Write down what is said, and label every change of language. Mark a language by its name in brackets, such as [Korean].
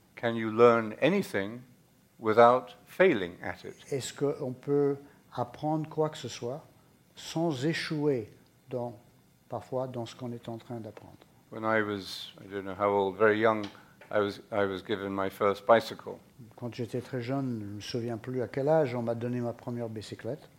[English] Can you learn anything without failing at it? [French] Est-ce qu'on peut apprendre quoi que ce soit sans échouer parfois dans ce qu'on est en train d'apprendre? [English] When I was, I don't know how old, very young, I was given my first bicycle. [French] Quand j'étais très jeune, je ne me souviens plus à quel âge on m'a donné ma première bicyclette.